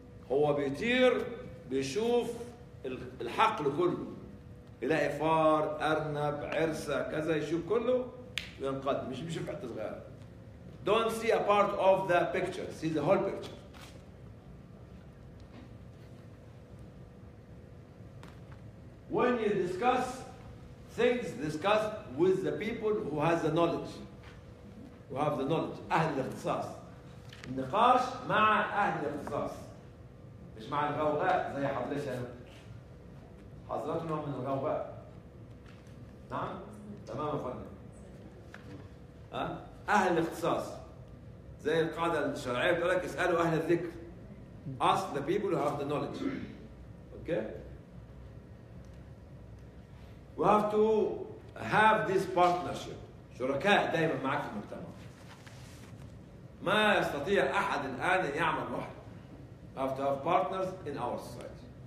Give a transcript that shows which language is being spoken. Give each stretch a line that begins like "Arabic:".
Arabic: هو بيطير بيشوف الحقل كله. يلاقي فار، ارنب، عرسة، كذا، يشوف كله وينقض، مش بيشوف حتة صغيرة.
English: Don't see a part of the picture, see the whole picture. When you discuss things, discuss with the people who has the knowledge. We have the knowledge.
Arabic: أهل الاختصاص. النقاش مع أهل الاختصاص. مش مع الغوغاء زي حضرتك أنا. حضرتنا من الغوغاء. نعم؟ تمام يا فندم. أهل الاختصاص. زي القاعدة الشرعية بتقول لك اسألوا أهل الذكر.
English: Ask the people who have the knowledge. Okay? We have to have this partnership.
Arabic: شركاء دائما معك في المجتمع. ما يستطيع أحد الآن أن يعمل وحده.
English: We have to have partners in our society.